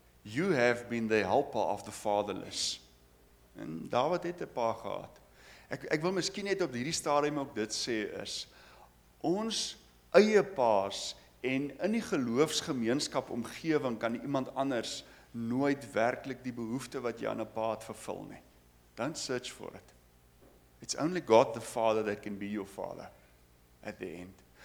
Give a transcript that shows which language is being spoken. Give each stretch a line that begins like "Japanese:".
English: You have been the helper of the fatherless.
Afrikaans: En Dawid het 'n pa gehad. Ek wil miskien net op hierdie stadium ook dit sê is, ons eie paas en in die geloofsgemeenskap omgewing kan iemand anders nooit werklik die behoefte wat jy aan 'n pa het vervul nie.
English: Don't search for it. It's only God the Father that can be your father at the end.